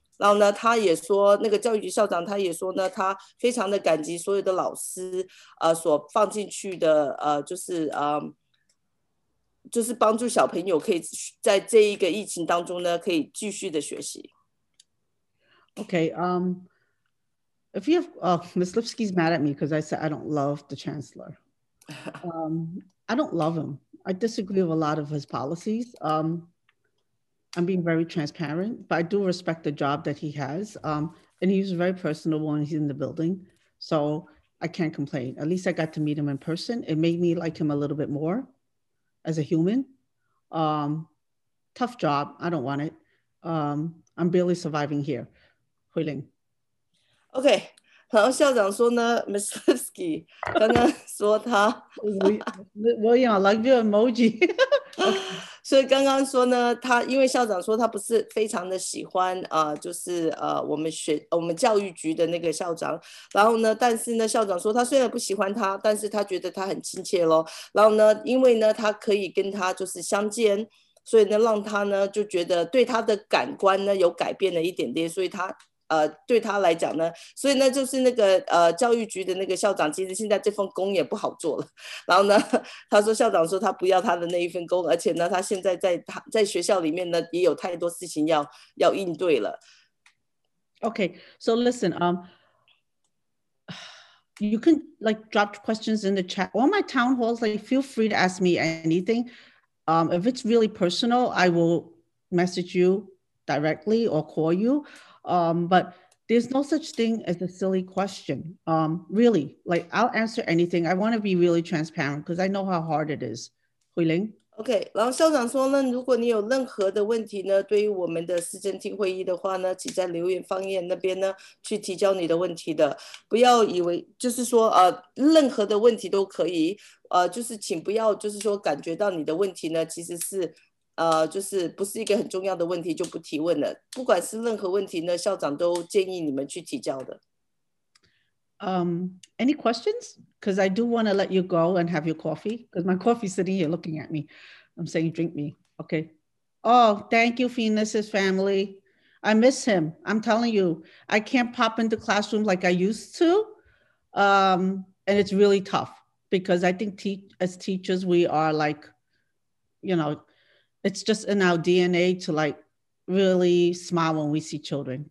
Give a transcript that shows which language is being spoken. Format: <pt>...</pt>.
<zh>然后呢他也说那个教育局校长他也说呢，他非常的感激所有的老师所放进去的就是帮助小朋友可以在这一个疫情当中呢可以继续的学习。</zh> <en>OK. If you have, Ms. Lipsky's mad at me because I said I don't love the chancellor. I don't love him. I disagree with a lot of his policies. I'm being very transparent, but I do respect the job that he has. And he's very personable when he's in the building. So I can't complain. At least I got to meet him in person. It made me like him a little bit more as a human. Tough job. I don't want it. I'm barely surviving here. Hui Ling.</en> <zh>OK， 然后校长说呢 ，Miss Lipsky 刚刚说他，我用</zh> <en>like your emoji，</en> <zh>所以刚刚说呢，他因为校长说他不是非常的喜欢就是我们教育局的那个校长，然后呢，但是呢，校长说他虽然不喜欢他，但是他觉得他很亲切咯，然后呢，因为呢，他可以跟他就是相见。所以呢，让他呢就觉得对他的感官呢有改变了一点点，所以他。对他来讲呢，所以呢就是那个教育局的那个校长其实现在这份工也不好做了，然后呢他说校长说他不要他的那一份工，而且呢他现在在学校里面呢也有太多事情要应对了。</zh> <en>OK, so listen, you can like drop questions in the chat, all my town halls, like feel free to ask me anything. If it's really personal, I will message you directly or call youBut there's no such thing as a silly question. Really, like I'll answer anything. I want to be really transparent because I know how hard it is. Hui Ling. Okay.</en> <zh>然后校长说呢，如果你有任何的问题呢，对于我们的市政厅会议的话呢，请在留言方言那边呢去提交你的问题的。不要以为就是说任何的问题都可以。就是请不要就是说感觉到你的问题呢其实是。就是不是一个很重要的问题就不提问了，不管是任何问题呢校长都建议你们去提交的。</zh> <en>Any questions? Because I do want to let you go and have your coffee, because my coffee's sitting here looking at me. I'm saying drink me. Okay. Oh, thank you, Phoenix's family. I miss him. I'm telling you, I can't pop into classroom like I used to. And it's really tough because I think as teachers, we are like, you know,It's just in our DNA to like really smile when we see children.</en>